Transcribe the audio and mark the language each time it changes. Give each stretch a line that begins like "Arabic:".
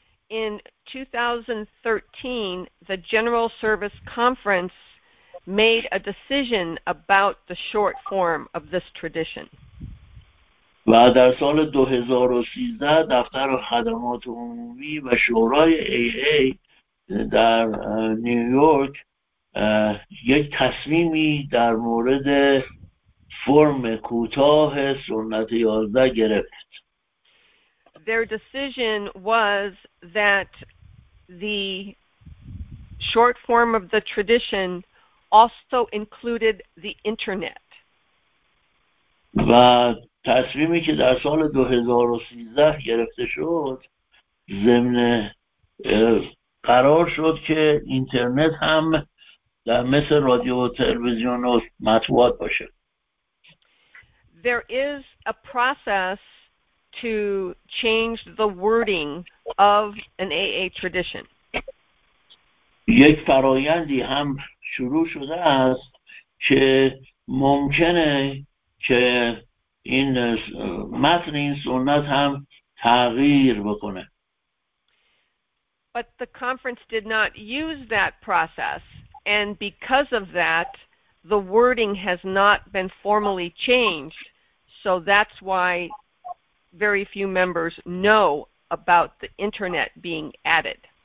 English: In 2013, the General Service Conference made a decision about the short form of this tradition.
Persian: و در سال 2013 دفتر خدمات عمومی و شورای AA در نیویورک یک تصمیمی در مورد فرم کوتاه سنت 11 گرفت.
English: Their decision was that the short form of the tradition also included the internet.
Persian: و تصمیمی که در سال 2013 گرفته شد ضمن قرار شد که اینترنت هم در مثل رادیو و تلویزیون و مطبوعات باشه.
English: There is a process to change the wording of an AA tradition.
Persian: یک فرایندی هم شروع شده است که ممکنه که این متن این سنت هم تغییر بکنه.
English: But the conference did not use that process, and because of that, the wording has not been formally changed, so that's why very few members know about the internet being added.